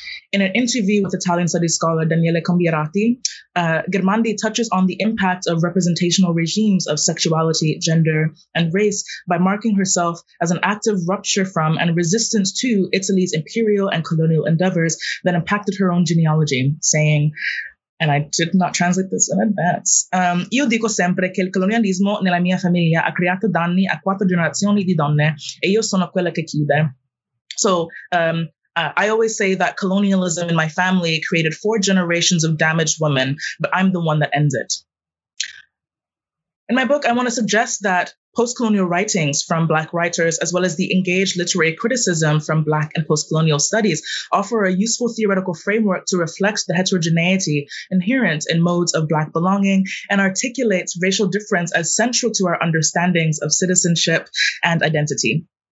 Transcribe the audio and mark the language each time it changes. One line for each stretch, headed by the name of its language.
English: In an interview with Italian studies scholar Daniele Combierati, Germandi touches on the impact of representational regimes of sexuality, gender, and race by marking herself as an active rupture from and resistance to Italy's imperial and colonial endeavors that impacted her own genealogy, saying, and I did not translate this in advance.
Italian: Io dico sempre che il colonialismo nella mia famiglia ha creato danni a quattro generazioni di donne e io sono quella che chiude.
English: So I always say that colonialism in my family created four generations of damaged women, but I'm the one that ends it. In my book, I want to suggest that post-colonial writings from Black writers, as well as the engaged literary criticism from Black and post-colonial studies, offer a useful theoretical framework to reflect the heterogeneity inherent in modes of Black belonging and articulates racial difference as central to our understandings of citizenship and identity.